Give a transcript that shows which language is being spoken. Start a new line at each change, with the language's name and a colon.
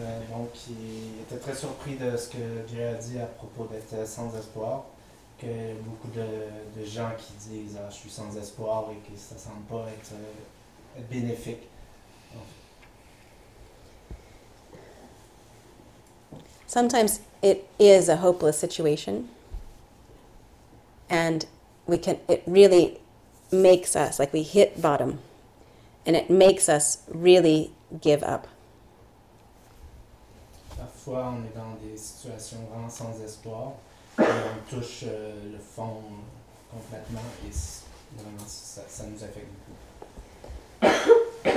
French: Donc, il était très surpris de ce que Jay a dit à propos d'être sans espoir, que beaucoup de gens qui disent ah, « je suis sans espoir » et que ça ne semble pas être bénéfique. Donc.
English: Sometimes it is a hopeless situation and it really makes us, like we hit bottom. And it makes us really give up.
French: Parfois, on est dans des situations vraiment sans espoir, et on touche le fond complètement, et vraiment, ça nous affecte beaucoup.